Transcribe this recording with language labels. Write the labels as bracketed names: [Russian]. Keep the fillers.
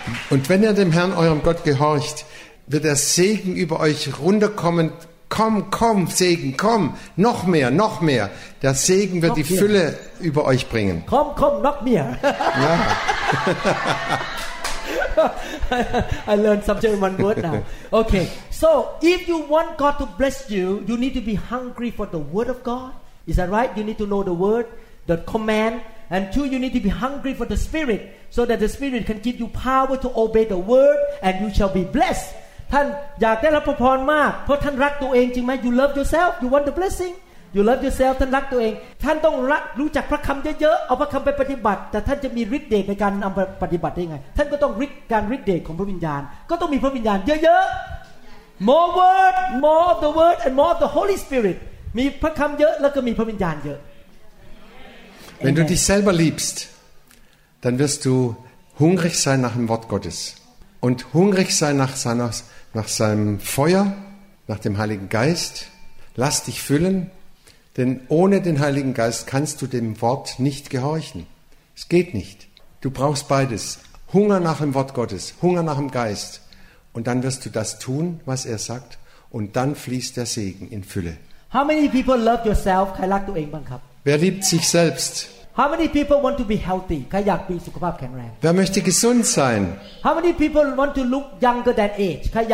[German] und wenn er dem Herrn eurem Gott gehorcht, wird der Segen über euch runterkommen. Komm, komm, Segen, komm, noch mehr, noch mehr. Der Segen wird noch die hier. Fülle über euch bringen. Komm, komm, noch mehr. ja. [English] I learned something in one word now. Okay. So if you want God to bless you, you need to be hungry for the word of God. Is that right? You need to know the word, the command. And two, you need to be hungry for the spirit so that the spirit can give you power to obey the word and you shall be blessed. [Thai] ท่านอยากได้รับพระพรมากเพราะท่านรักตัวเองจริงไหม [English] you love yourself you want the blessing you love yourself [Thai] ท่านรักตัวเองท่านต้องรักรู้จักพระคำเยอะๆเอาพระคำไปปฏิบัติ แต่ท่านจะมีฤทธิ์เดชในการนำปฏิบัติได้ยังไงท่านก็ต้องฤทธิ์การฤทธิ์เดชของพระวิญญาณ ก็ต้องมีพระวิญญาณเยอะๆ [English] more word more of the word and more of the Holy Spirit [Thai] มีพระคำเยอะแล้วก็มีพระวิญญาณเยอะ [German] wenn du dich selber liebst dann wirst du hungrig sein nach dem Wort Gottes und hungrig sein nach seiner nach seinem Feuer nach dem Heiligen Geist lass dich füllen Denn ohne den Heiligen Geist kannst du dem Wort nicht gehorchen. Es geht nicht. Du brauchst beides. Hunger nach dem Wort Gottes, Hunger nach dem Geist. Und dann wirst du das tun, was er sagt. Und dann fließt der Segen in Fülle. [English] How many people love yourself? [German] Wer liebt sich selbst? [English] How many people want to be healthy? [German] Wer möchte gesund sein? [English] How many people want to look younger than age?